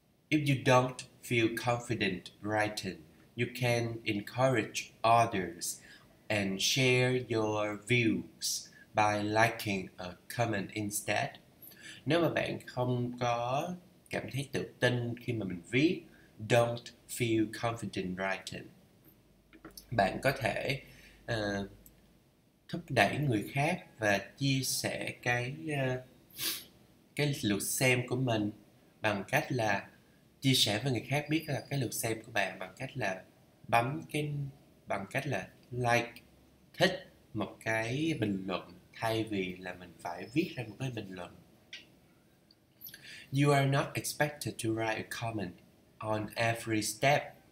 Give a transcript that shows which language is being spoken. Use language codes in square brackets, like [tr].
[en] If you don't feel confident writing, you can encourage others and share your views by liking a comment instead. [vi] Nếu mà bạn không có cảm thấy tự tin khi mà mình viết, [en] don't feel confident writing, [vi] bạn có thể thúc đẩy người khác và chia sẻ cái lượt xem của mình bằng cách là chia sẻ với người khác biết là cái lượt xem của bạn bằng cách là like, thích một cái bình luận thay vì là mình phải viết ra một cái bình luận. [en] You are not expected to write a comment on every step.